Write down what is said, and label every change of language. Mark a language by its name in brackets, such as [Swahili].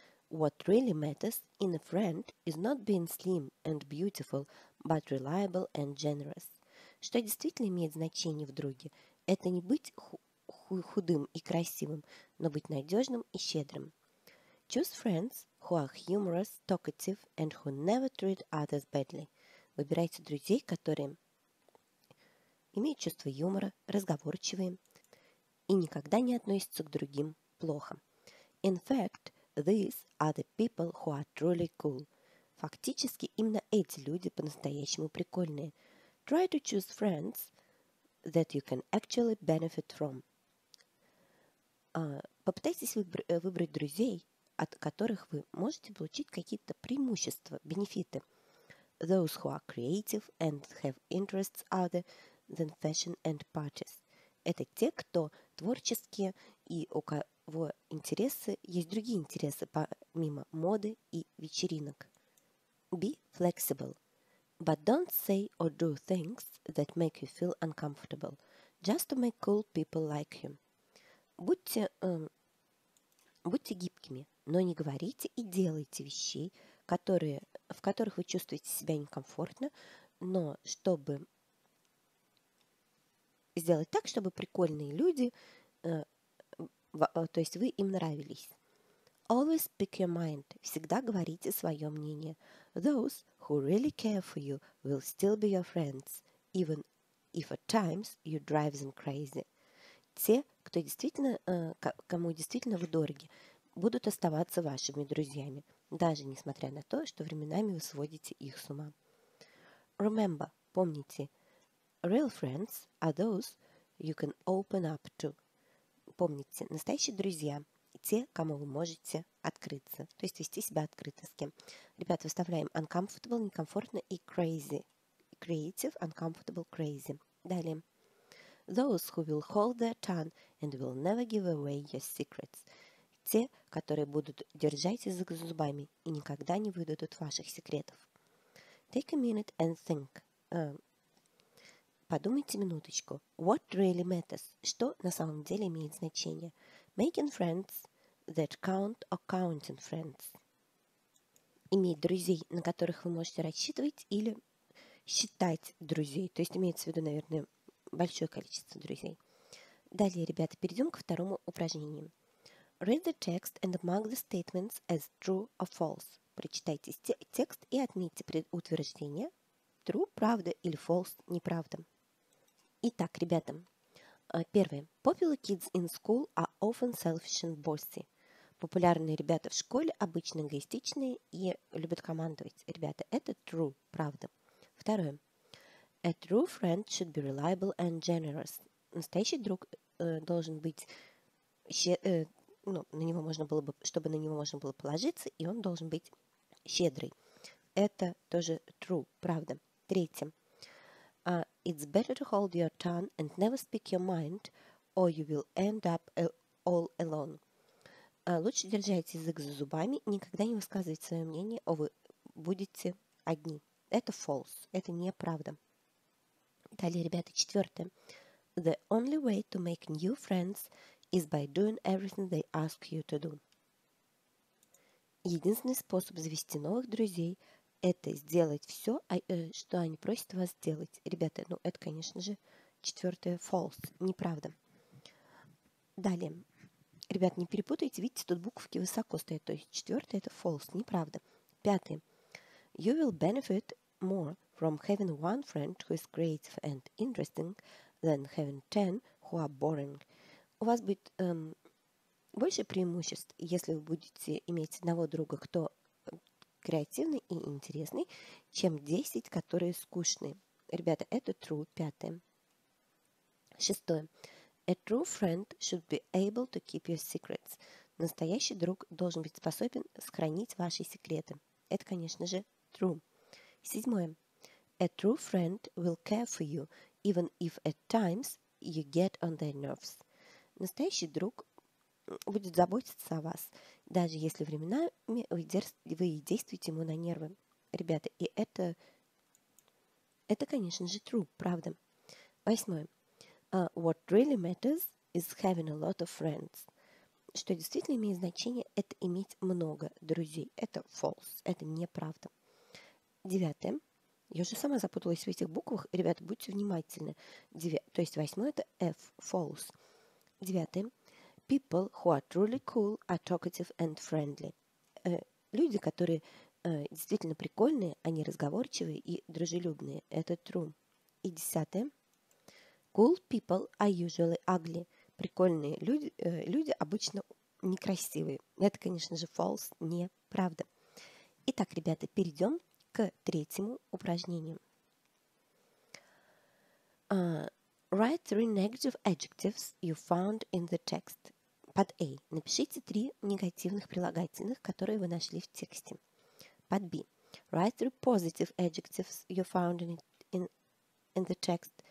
[English] What really matters in a friend is not being slim and beautiful, but reliable and generous. [Russian] Что действительно имеет значение в друге, это не быть худым и красивым, но быть надежным и щедрым. [English] Choose friends who are humorous, talkative, and who never treat others badly. [Russian] Выбирайте друзей, которые имеют чувство юмора, разговорчивые и никогда не относятся к другим плохо. [English] In fact, these are the people who are truly cool. [Russian] Фактически, именно эти люди по-настоящему прикольные. [English] Try to choose friends that you can actually benefit from. [Russian] Попытайтесь выбрать друзей, от которых вы можете получить какие-то преимущества, бенефиты. [English] Those who are creative and have interests other than fashion and parties. [Russian] Это те, кто творческие и у кого интересы, есть другие интересы помимо моды и вечеринок. [English] Be flexible. But don't say or do things that make you feel uncomfortable, just to make cool people like you. [Russian] Будьте гибкими, но не говорите и делайте вещей, в которых вы чувствуете себя некомфортно, но чтобы сделать так, чтобы прикольные люди, то есть вы им нравились. [English] Always speak your mind. [Russian] Всегда говорите свое мнение. [English] Those who really care for you will still be your friends, even if at times you drive them crazy. [Russian] Те, кто действительно, кому действительно вы дороги, будут оставаться вашими друзьями, даже несмотря на то, что временами вы сводите их с ума. [English] Remember, [Russian] помните, [English] real friends are those you can open up to. [Russian] Помните, настоящие друзья – те, кому вы можете открыться, то есть вести себя открыто с кем. Ребята, выставляем [English] uncomfortable, [Russian] некомфортно и [English] crazy. Creative, uncomfortable, crazy. [Russian] Далее. [English] Those who will hold their tongue and will never give away your secrets. [Russian] Те, которые будут держать язык за зубами и никогда не выдадут ваших секретов. [English] Take a minute and think. [Russian] Подумайте минуточку. [English] What really matters? [Russian] Что на самом деле имеет значение? [English] Making friends that count or counting friends. [Russian] иметь друзей, на которых вы можете рассчитывать или считать друзей. То есть имеется в виду, наверное, большое количество друзей. Далее, ребята, перейдем ко второму упражнению. [English] Read the text and mark the statements as true or false. [Russian] Прочитайте текст и отметьте утверждение true, правда или false, неправда. Итак, ребята, первое. [English] Popular kids in school are often selfish and bossy. [Russian] Популярные ребята в школе обычно эгоистичные и любят командовать. Ребята, это true, правда. Второе. [English] A true friend should be reliable and generous. [Russian] Настоящий друг должен быть, чтобы на него можно было положиться, и он должен быть щедрый. Это тоже true, правда. Третье. [English] It's better to hold your tongue and never speak your mind, or you will end up all alone. [Russian] Лучше держать язык за зубами, никогда не высказывать свое мнение, а вы будете одни. Это false, это неправда. Далее, ребята, четвертое. [English] The only way to make new friends is by doing everything they ask you to do. [Russian] Единственный способ завести новых друзей – это сделать все, что они просят вас сделать. Ребята, ну это, конечно же, четвертое – false, неправда. Далее. Ребята, не перепутайте, видите, тут буковки высоко стоят. То есть четвертое – это false, неправда. Пятое. [English] You will benefit more from having one friend who is creative and interesting than having ten who are boring. [Russian] У вас будет больше преимуществ, если вы будете иметь одного друга, кто креативный и интересный, чем 10, которые скучные. Ребята, это true, пятое. Шестое. [English] A true friend should be able to keep your secrets. [Russian] Настоящий друг должен быть способен сохранить ваши секреты. Это, конечно же, true. Седьмое. [English] A true friend will care for you, even if at times you get on their nerves. [Russian] Настоящий друг будет заботиться о вас, даже если временами вы действуете ему на нервы. Ребята, и это, конечно же, true, правда. Восьмое. [English] What really matters is having a lot of friends. [Russian] Что действительно имеет значение, это иметь много друзей. Это false, это неправда. Девятое. Я уже сама запуталась в этих буквах. Ребята, будьте внимательны. То есть восьмое – это F, false. Девятое. [English] People who are truly cool are talkative and friendly. [Russian] Люди, которые действительно прикольные, они разговорчивые и дружелюбные. Это [English] true. [Russian] И десятое. [English] Cool people are usually ugly. [Russian] Прикольные люди, люди обычно некрасивые. Это, конечно же, false, неправда. Итак, ребята, перейдем к третьему упражнению. [English] Write three negative adjectives you found in the text. [Russian] Под A. Напишите три негативных прилагательных, которые вы нашли в тексте. Под B. [English] Write three positive adjectives you found in the text.